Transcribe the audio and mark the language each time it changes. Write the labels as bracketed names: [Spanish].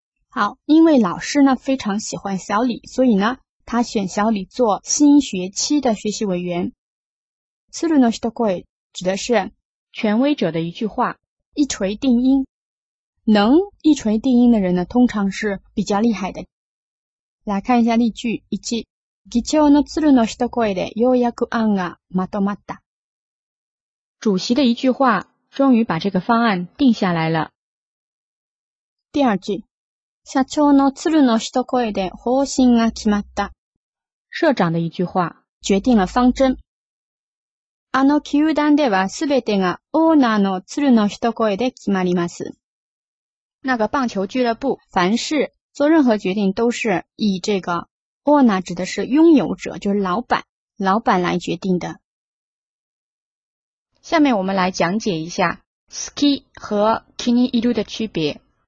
[Chinese] 好，因为老师呢非常喜欢小李，所以呢他选小李做新学期的学习委员。 [Japanese] つるの一声 [Chinese] 指的是权威者的一句话，一锤定音。能一锤定音的人呢通常是比较厉害的。来看一下例句。 [Japanese] 一、議長のつるの一声でようやく案がまとまった， [Chinese] 主席的一句话终于把这个方案定下来了。第二句， [Japanese] 社長のつるの一声で方針が決まった， [Chinese] 社长的一句话决定了方针。 [Japanese] あの球団ではすべてがオーナーのつるの一声で決まります， [Chinese] 那个棒球俱乐部凡事做任何决定都是以这个 owner 指的是拥有者，就是老板，老板来决定的。下面我们来讲解一下 好き 和気に入る的区别。